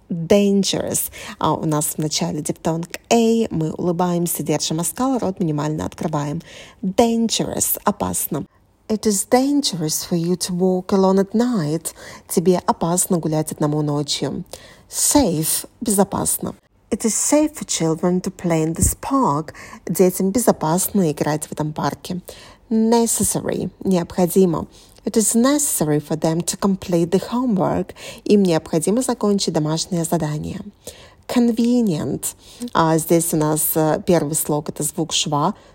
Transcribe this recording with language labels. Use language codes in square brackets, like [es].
[en] Dangerous. [ru] А у нас в начале дифтонг A, мы улыбаемся, держим оскал, рот минимально открываем. Dangerous — опасно. [en] It is dangerous for you to walk alone at night. [ru] Тебе опасно гулять одному ночью. Safe — безопасно. [en] It is safe for children to play in this park. [ru] Детям безопасно играть в этом парке. Necessary — необходимо. [en] It is necessary for them to complete the homework. [ru] Им необходимо закончить домашнее задание. [en] Convenient. [ru] Здесь у нас первый слог — это звук шва.